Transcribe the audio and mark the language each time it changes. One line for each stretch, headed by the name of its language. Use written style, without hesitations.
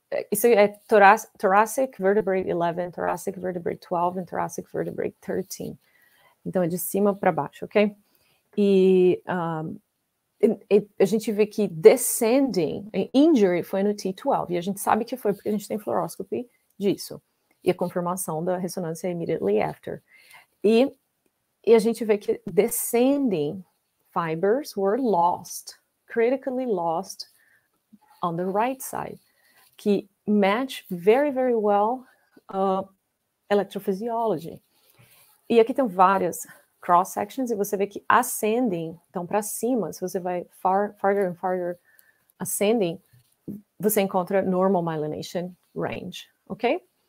Portuguese: Isso é thoracic vertebrae 11, thoracic vertebrae 12 e thoracic vertebrae 13. Então é de cima para baixo, ok? E a gente vê que descending injury foi no T12, e a gente sabe que foi porque a gente tem fluoroscopy disso, e a confirmação da ressonância
English: immediately after.
Portuguese: E a gente vê que
English: descending fibers were lost, critically lost on the right side,
Portuguese: que
English: match very, very well electrophysiology.
Portuguese: E aqui tem várias cross sections e você vê que ascending, então para cima, se você vai
English: farther and farther ascending,
Portuguese: você encontra normal myelination range, ok?